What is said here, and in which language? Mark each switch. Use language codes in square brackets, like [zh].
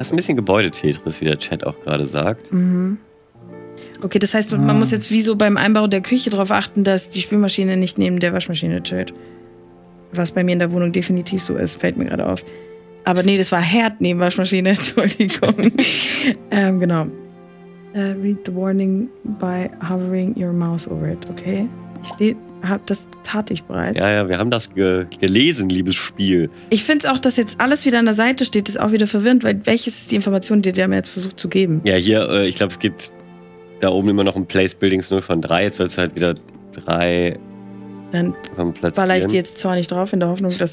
[de] Das ist ein bisschen Gebäude-Tetris, wie der Chat auch gerade sagt. Mhm. Okay, das heißt, man muss jetzt wie so beim Einbau der Küche darauf achten, dass die Spülmaschine nicht neben der Waschmaschine chillt. Was bei mir in der Wohnung definitiv so ist, fällt mir gerade auf. Aber nee, das war Herd neben Waschmaschine, Entschuldigung. genau. [en] Read the warning by hovering your mouse over it, okay? [de] Das tat ich bereits. Ja, wir haben das gelesen, liebes Spiel. Ich finde es auch, dass jetzt alles wieder an der Seite steht, ist auch wieder verwirrend, weil welches ist die Information, die der mir jetzt versucht zu geben? Ja, hier, ich glaube, es gibt da oben immer noch ein Place Buildings 0 von 3. Jetzt sollst du halt wieder 3 dann platzieren. Baller ich die jetzt zornig drauf in der Hoffnung, dass.